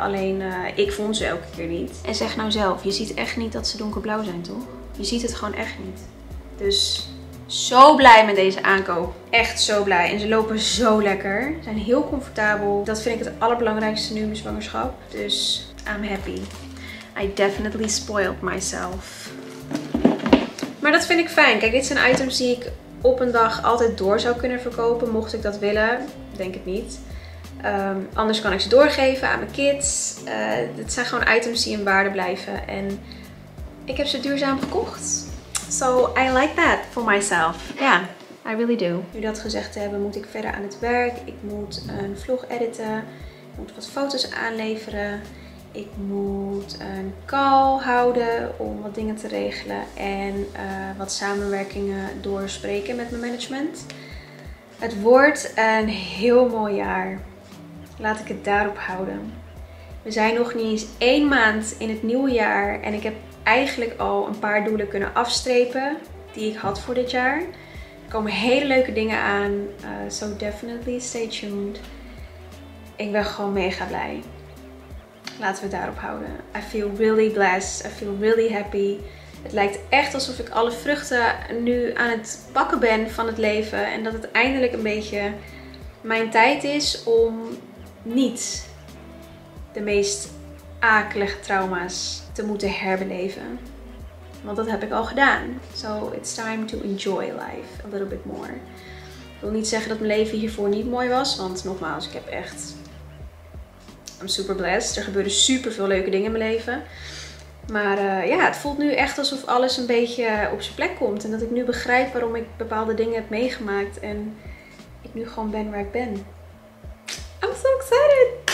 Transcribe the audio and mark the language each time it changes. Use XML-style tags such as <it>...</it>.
<nl>Alleen ik vond ze elke keer niet. En zeg nou zelf, je ziet echt niet dat ze donkerblauw zijn, toch? Je ziet het gewoon echt niet. Dus zo blij met deze aankoop. Echt zo blij. En ze lopen zo lekker. Ze zijn heel comfortabel. Dat vind ik het allerbelangrijkste nu in mijn zwangerschap.</nl> <en>Dus I'm happy. I definitely spoiled myself.</en> <nl>Maar dat vind ik fijn. Kijk, dit zijn items die ik op een dag altijd door zou kunnen verkopen. Mocht ik dat willen. Denk het niet. Anders kan ik ze doorgeven aan mijn kids. Het zijn gewoon items die in waarde blijven. En ik heb ze duurzaam gekocht.</nl> <en>So I like that for myself. Ja, yeah, I really do.</en> <nl>Nu dat gezegd te hebben, moet ik verder aan het werk. Ik moet een vlog editen. Ik moet wat foto's aanleveren. Ik moet een call houden om wat dingen te regelen en wat samenwerkingen doorspreken met mijn management. Het wordt een heel mooi jaar. Laat ik het daarop houden. We zijn nog niet eens één maand in het nieuwe jaar en ik heb eigenlijk al een paar doelen kunnen afstrepen die ik had voor dit jaar. Er komen hele leuke dingen aan,</nl> <en>so definitely stay tuned.</en> <nl>Ik ben gewoon mega blij. Laten we het daarop houden.</nl> <en>I feel really blessed. I feel really happy.</en> <nl>Het lijkt echt alsof ik alle vruchten nu aan het pakken ben van het leven. En dat het eindelijk een beetje mijn tijd is om niet de meest akelige trauma's te moeten herbeleven. Want dat heb ik al gedaan.</nl> <en>So it's time to enjoy life a little bit more.</en> <nl>Ik wil niet zeggen dat mijn leven hiervoor niet mooi was. Want nogmaals, ik heb echt...</nl> <en>I'm super blessed.</en> <nl>Er gebeuren super veel leuke dingen in mijn leven. Maar ja, het voelt nu echt alsof alles een beetje op zijn plek komt. En dat ik nu begrijp waarom ik bepaalde dingen heb meegemaakt. En ik nu gewoon ben waar ik ben.</nl> <en>I'm so excited.</en>